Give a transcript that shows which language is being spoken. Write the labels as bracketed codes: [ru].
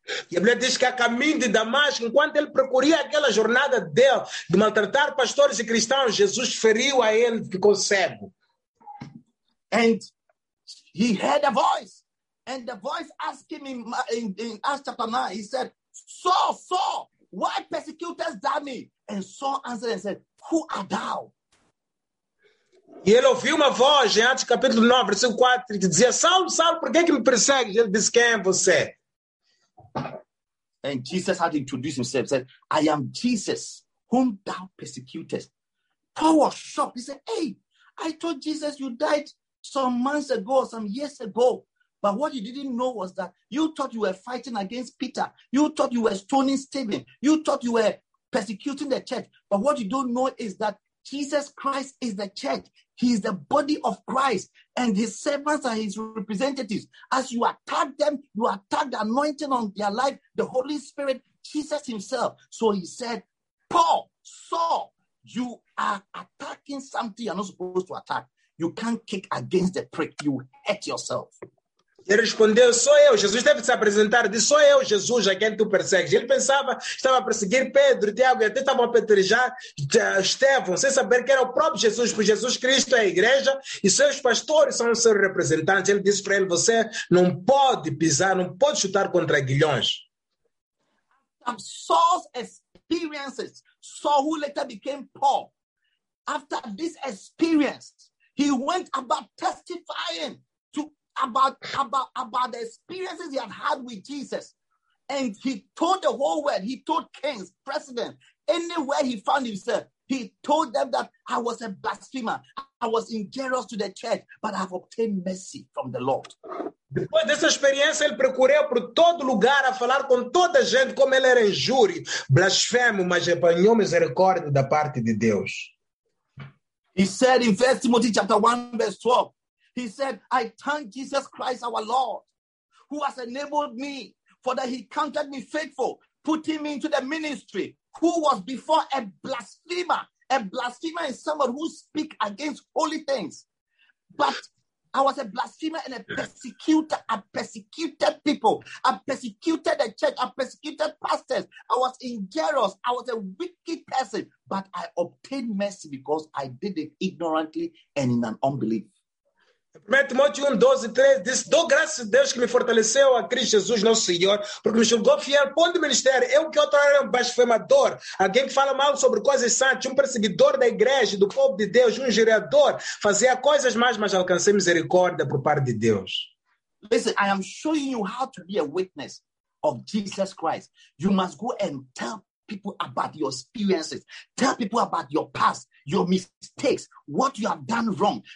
[pt] E a Bíblia diz que a caminho de Damasco, enquanto ele procuria aquela jornada dele de maltratar pastores e cristãos, Jesus feriu a ele, ficou cego. [en] And he heard a voice, and the voice asked him in Acts chapter 9, he said, Saul, why persecutest thou me? And Saul answered and said, who are thou? [pt] E ele ouviu uma voz em Acts capítulo 9, versículo 4, que dizia, Saul, por que me persegues? Ele disse, quem é você? [en] And Jesus had introduced himself, said, I am Jesus, whom thou persecutest. Paul was shocked. He said, hey, I told Jesus you died some months ago, some years ago. But what you didn't know was that you thought you were fighting against Peter. You thought you were stoning Stephen. You thought you were persecuting the church. But what you don't know is that Jesus Christ is the church. He is the body of Christ, and his servants are his representatives. As you attack them, you attack the anointing on their life, the Holy Spirit, Jesus himself. So he said, Paul, Saul, you are attacking something you're not supposed to attack. You can't kick against the prick. You hurt yourself. [pt] Ele respondeu, sou eu, Jesus deve se apresentar. Disse, sou eu, Jesus, a quem tu persegues. Ele pensava, estava a perseguir Pedro, Tiago, e até estava a apedrejar Estevão, sem saber que era o próprio Jesus, porque Jesus Cristo é a igreja e seus pastores são os seus representantes. Ele disse para ele, você não pode pisar, não pode chutar contra aguilhões. [en] Saul's experiences, Saul who later became Paul, after this experience, he went about testifying about the experiences he had had with Jesus. And he told the whole world, he told kings, presidents, anywhere he found himself, he told them that I was a blasphemer, I was injurious to the church, but I have obtained mercy from the Lord. [pt] Depois dessa experiência, ele procurou por todo lugar a falar com toda a gente como ele era injúrio, blasfemo, mas apanhou misericórdia da parte de Deus. [en] He said in 1 Timothy chapter 1, verse 12, he said, I thank Jesus Christ, our Lord, who has enabled me, for that he counted me faithful, putting me into the ministry, who was before a blasphemer is someone who speak against holy things. But I was a blasphemer and a persecutor. I persecuted people. I persecuted the church. I persecuted pastors. I was injurious. I was a wicked person, but I obtained mercy because I did it ignorantly and in an unbelief. [pt] 1 Timóteo 1, 12, 13, diz, dou graças a Deus que me fortaleceu a Cristo Jesus, nosso Senhor, porque me julgou fiel, ponto de ministério. Eu que outrora era um blasfemador, alguém que fala mal sobre coisas santas, um perseguidor da igreja, do povo de Deus, um gerador, fazia coisas más, mas alcancei misericórdia por parte de Deus. [en] Listen, I am showing you how to be a witness of Jesus Christ. You must go and tell people about your experiences. Tell people about your past, your mistakes, what you have done wrong.